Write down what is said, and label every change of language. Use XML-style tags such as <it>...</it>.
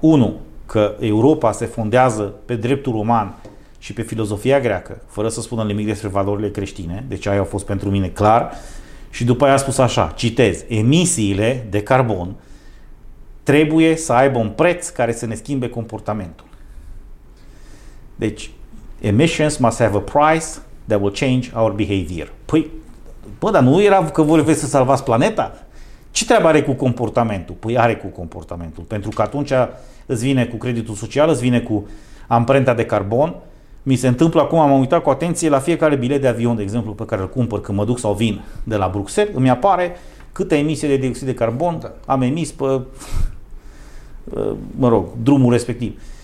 <ro>Unu, că Europa se fondează pe dreptul roman și pe filozofia greacă, fără să spună nimic despre valorile creștine, deci aia a fost pentru mine clar. Și după aia a spus așa, citez, emisiile de carbon trebuie să aibă un preț care să ne schimbe comportamentul.</ro> <en>Deci, emissions must have a price that will change our behavior.</en> <ro>Păi, bă, dar nu era că vreți să salvați planeta? Ce treabă are cu comportamentul? Păi are cu comportamentul, pentru că atunci îți vine cu creditul social, îți vine cu amprenta de carbon. Mi se întâmplă acum, am uitat cu atenție la fiecare bilet de avion, de exemplu, pe care îl cumpăr când mă duc sau vin de la Bruxelles, îmi apare câte emisii de dioxid de carbon am emis pe, mă rog, drumul respectiv.</ro>